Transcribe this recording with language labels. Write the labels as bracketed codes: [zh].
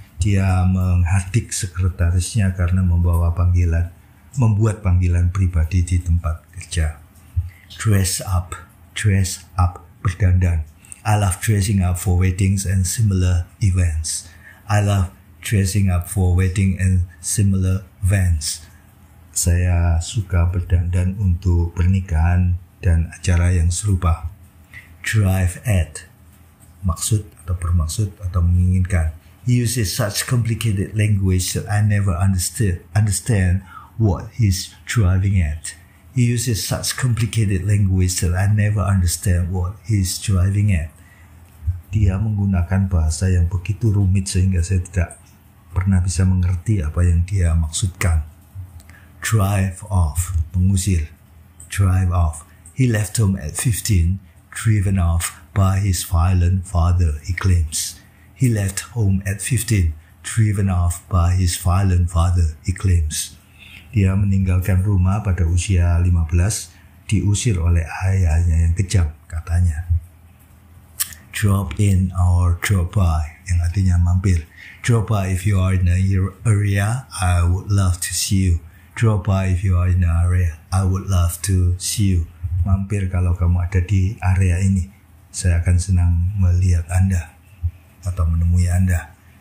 [id] Dia menghardik sekretarisnya karena membuat panggilan pribadi di tempat kerja. [en] Dress up, berdandan. I love dressing up for weddings and similar events. I love dressing up for wedding and similar events. [id] Saya suka berdandan untuk pernikahan dan acara yang serupa. Drive at, maksud atau bermaksud atau menginginkan. [en] He uses such complicated language that I never understand what he's driving at. He uses such complicated language that I never understand what he's driving at. [id] Dia menggunakan bahasa yang begitu rumit sehingga saya tidak pernah bisa mengerti apa yang dia maksudkan. [en] Drive off, mengusir. Drive off. He left home at 15, driven off by his violent father, he claims. He left home at 15, driven off by his violent father, he claims. [id] Dia meninggalkan rumah pada usia 15, diusir oleh ayahnya yang kejam, katanya. Drop in or drop by, yang artinya mampir. [en] Drop by if you are in an area, I would love to see you. Drop by if you are in an area, I would love to see you. [id] Mampir kalau kamu ada di area ini, saya akan senang melihat Anda atau menemui Anda.